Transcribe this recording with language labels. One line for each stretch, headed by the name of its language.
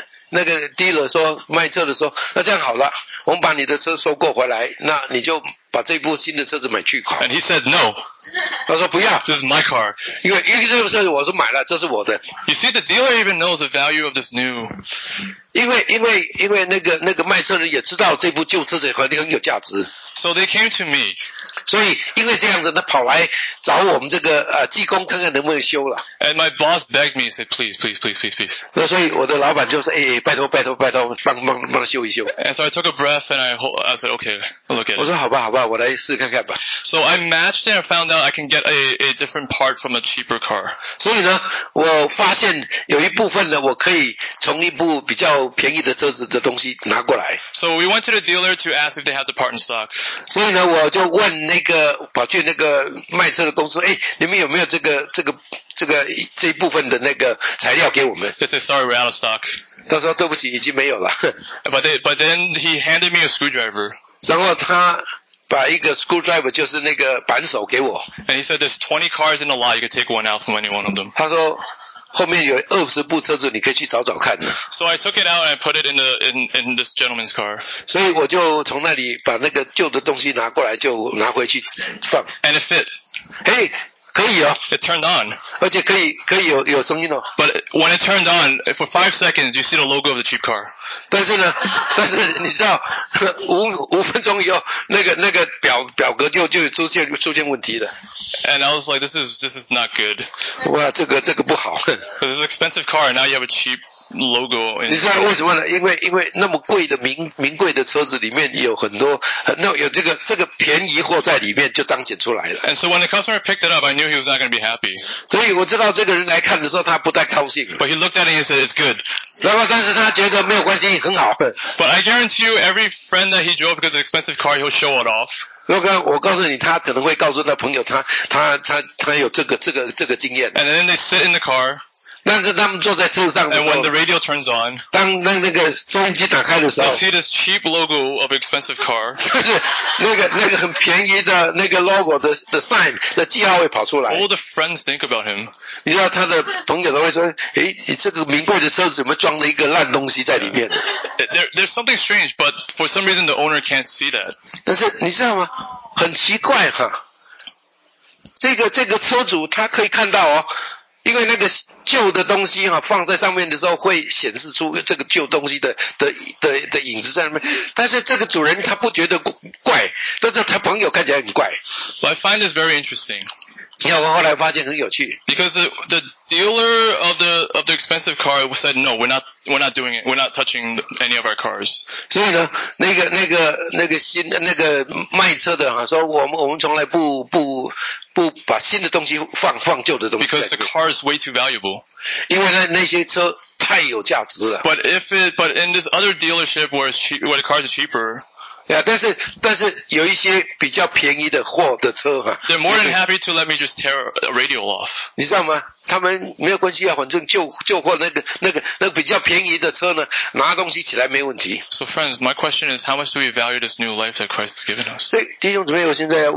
Chinese: 那个 dealer 说，卖车的说，那这样好了，我们把你的车收购回来，那你就把这部新的车子买去吧。
English: And he said no.
Chinese: 他说不要。
English: This is my car.
Chinese: 因为这部车我是买了，这是我的。
English: You see, the dealer even knows the value of this new.
Chinese: 因为那个卖车人也知道这部旧车子很有价值。
English: So they came to me.
Chinese: 所以因为这样子，他跑来找我们这个技工看看能不能修了。
English: And my boss begged me, said, please, please, please, please, please.
Chinese: 那所以我的老板就说，拜托，拜托，拜托，帮修一修。
English: And so I took a breath and I said, okay, look at it.
Chinese: 我说好吧，好吧，我来试看看吧。
English: So I matched and I found out I can get a different part from a cheaper car.
Chinese: 所以呢，我发现有一部分呢，我可以从一部比较便宜的车子的东西拿过来。
English: So we went to the dealer to ask if they had the part in stock.
Chinese: 所以呢，我就问那个跑去那个卖车的公司，你们有没有这一部分的那个材料给我们？
English: They said, sorry, we're out of stock.
Chinese: 他说对不起，已经没有了。
English: But then he handed me a screwdriver.
Chinese: 然后他把一个 screwdriver 就是那个扳手给我。
English: And he said, there's 20 cars in the lot, you can take one out from any one of them.
Chinese: 他说后面有20部车子，你可以去找找看。
English: So I took it out and I put it in this gentleman's car.
Chinese: 所以我就从那里把那个旧的东西拿过来，就拿回去放。
English: And it fit.
Chinese: Hey, 可以哦。
English: It turned on.
Chinese: 而且可以有声音哦。
English: But when it turned on, for 5 seconds, you see the logo of the cheap car.
Chinese: 但是你知道，五分钟以后，那个表格就出现问题了。
English: And I was like, this is not good.
Chinese: 哇，这个不好。
English: Because it's an expensive car, and now you have a cheap logo.
Chinese: 你知道为什么呢？因为那么贵的名贵的车子里面有很多，那有这个便宜货在里面就彰显出来了。
English: And so when the customer picked it up, I knew he was not going to be happy.
Chinese: 所以我知道这个人来看的时候，他不太高兴。
English: But he looked at it and he said, it's good.
Chinese: 然后但是他觉得没有关系，很好。
English: But I guarantee you, every friend that he drove because it's an expensive car, he'll show it off.
Chinese: 我告诉你，他可能会告诉他朋友他有这个经验。
English: And then they sit in the car.
Chinese: 但是他们坐在车上的时候。
English: And when the radio turns on.
Chinese: 当那个收音机打开的时候。
English: They see this cheap logo of expensive car.
Chinese: 那个很便宜的那个 logo 的 sign 的记号会跑出来。
English: All the friends think about him.
Chinese: 你知道他的朋友都会说，你这个名贵的车子怎么装了一个烂东西在里面。
English: There's something strange, but for some reason the owner can't see that.
Chinese: 但是你知道吗？很奇怪哈，这个车主他可以看到哦，因为那个旧的东西哈放在上面的时候会显示出这个旧东西的影子在上面，但是这个主人他不觉得怪，但是他朋友看起来很怪。
English: But I find this very interesting. Because the dealer of the expensive car said, no, we're not doing it. We're not touching any of our cars.
Chinese: 所以呢,那个新,那个卖车的啊,说我们从来不把新的东西放旧的东西。
English: Because the car is way too valuable.
Chinese: 因为那些车太有价值了。
English: But in this other dealership where it's cheap, where the cars are cheaper,
Chinese: yeah, 但是有一些比较便宜的货的车啊。
English: They're more than happy to let me just tear a radio off.
Chinese: 你知道吗?他们没有关系啊,反正旧货那个比较便宜的车呢,拿东西起来没问题。
English: So friends, my question is, how much do we value this new life that Christ has given us?